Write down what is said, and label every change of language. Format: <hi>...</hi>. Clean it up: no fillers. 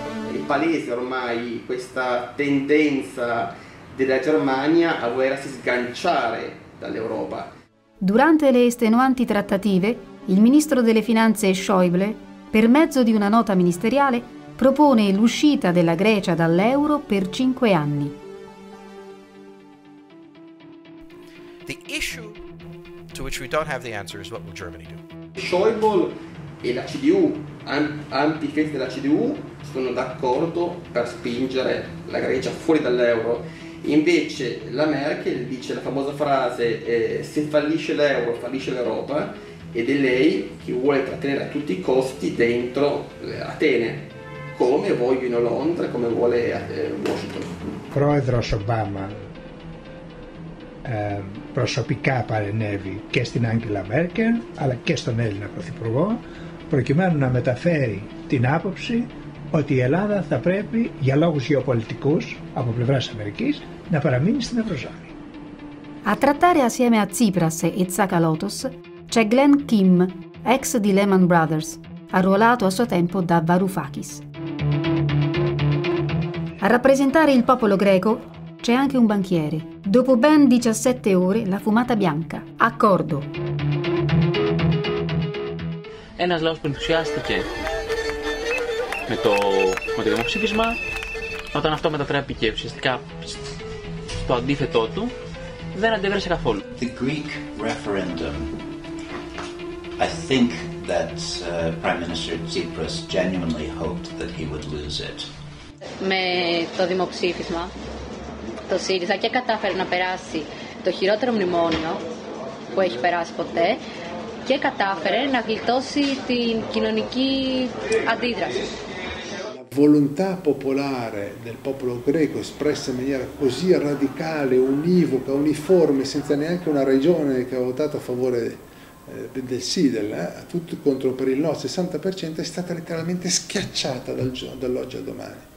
<it>È palese ormai questa tendenza della Germania a volersi sganciare dall'Europa. Durante le estenuanti trattative, il ministro delle finanze Schäuble, per mezzo di una nota ministeriale, propone l'uscita della Grecia dall'euro per 5 anni.</it> <en>The issue to which we don't have the answer is what will Germany do.</en> <it>Schäuble e la CDU, antichi della CDU, sono d'accordo per spingere la Grecia fuori dall'euro. Invece la Merkel dice la famosa frase se fallisce l'euro, fallisce l'Europa, ed è lei che vuole trattenere a tutti i costi dentro Atene. Come vogliono Londra, come vuole Washington.</it> <el>Πρόεδρος Ομπάμα προσωπικά παρενεύει και στην Άγγελα Μέρκελ αλλά και στον Έλληνα Πρωθυπουργό προκειμένου να μεταφέρει την άποψη ότι η Ελλάδα θα πρέπει για λόγους γεωπολιτικούς από πλευράς Αμερικής να παραμείνει στην Ευρωζώνη.</el> <it>A trattare assieme a Tsipras e Tsakalotos c'è Glenn Kim, ex di Lehman Brothers, arruolato a suo tempo da Varoufakis. A rappresentare il popolo greco c'è anche un banchiere. Dopo ben 17 ore, la fumata bianca. Accordo.</it> <el>Ένας λαός που ενθουσιάστηκε με το δημοψήφισμα, όταν αυτό μετατράπηκε ουσιαστικά στο αντίθετό του, δεν αντέδρασε καθόλου.</el> <en>The Greek referendum. I think that Prime Minister Tsipras genuinely hoped that he would lose it.</en> <el>Με το δημοψήφισμα, το ΣΥΡΙΖΑ και κατάφερε να περάσει το χειρότερο μνημόνιο που έχει περάσει ποτέ και κατάφερε να γλιτώσει την κοινωνική αντίδραση.</el> <it>La volontà popolare del popolo greco espressa in maniera così radicale, univoca, uniforme, senza neanche una regione che ha votato a favore del sì, tutto contro per il no, 60%, è stata letteralmente schiacciata dall'oggi al domani.</it>